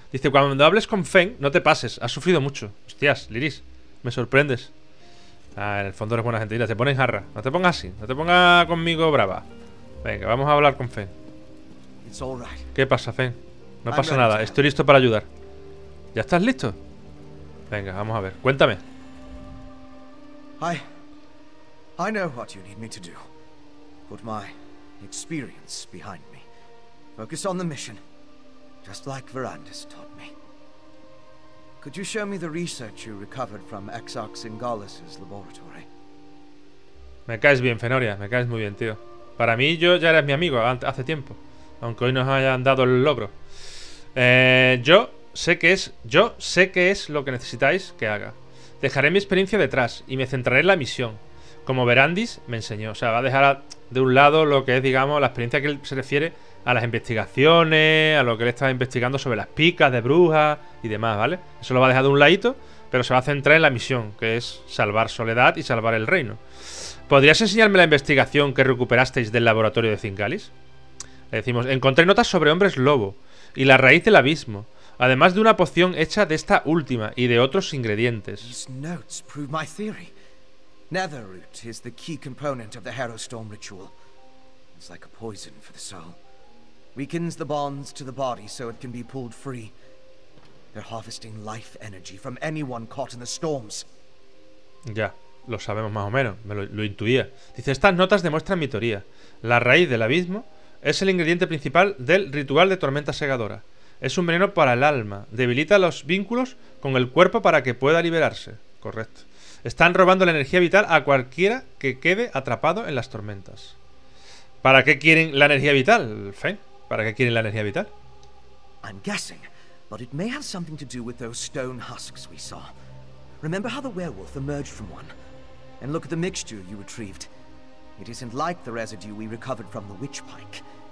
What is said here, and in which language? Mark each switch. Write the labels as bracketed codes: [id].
[es] Dice, cuando hables con Feng, no te pases. Has sufrido mucho. Hostias, Liris, me sorprendes. Ah, en el fondo eres buena gente. Mira, te pones jarra. No te pongas así. No te pongas conmigo brava. Venga, vamos a hablar con Feng. ¿Qué pasa, Feng? No pasa nada. Estoy listo para ayudar. ¿Ya estás listo? Venga, vamos a ver. Cuéntame. [en] I know what you need me to do. Put my experience behind me. Focus on the mission, just like Verandas taught me. Could you show me the research you recovered from Exarch Singalus's laboratory? [es] Me caes bien, Fenoria. Me caes muy bien, tío. Para mí, yo ya eres mi amigo hace tiempo, aunque hoy nos hayan dado el logro. Yo sé qué es lo que necesitáis que haga. Dejaré mi experiencia detrás y me centraré en la misión, como Verandas me enseñó. O sea, va a dejar de un lado lo que es, digamos, la experiencia que él se refiere a las investigaciones, a lo que él estaba investigando sobre las picas de brujas y demás, ¿vale? Eso lo va a dejar de un ladito, pero se va a centrar en la misión, que es salvar Soledad y salvar el reino. ¿Podrías enseñarme la investigación que recuperasteis del laboratorio de Thingalis? Le decimos, encontré notas sobre hombres lobo y la raíz del abismo, además de una poción hecha de esta última y de otros ingredientes. These notes prove my theory. Netherroot is the key component of the Harrowstorm ritual. It's like a poison for the soul. Weakens the bonds to the body so it can be pulled free. They're harvesting life energy from anyone caught in the storms. Ya, lo sabemos más o menos, me lo intuía. Dice, estas notas demuestran mi teoría. La raíz del abismo es el ingrediente principal del ritual de tormenta segadora. Es un veneno para el alma. Debilita los vínculos con el cuerpo para que pueda liberarse. Correcto. Están robando la energía vital a cualquiera que quede atrapado en las tormentas. ¿Para qué quieren la energía vital, Feng? ¿Para qué quieren la energía vital? [en] I'm guessing, but it may have something to do with those stone husks we saw. Remember how the werewolf emerged from one? And look at the mixture you retrieved. It isn't like the residue we recovered from the witch pike.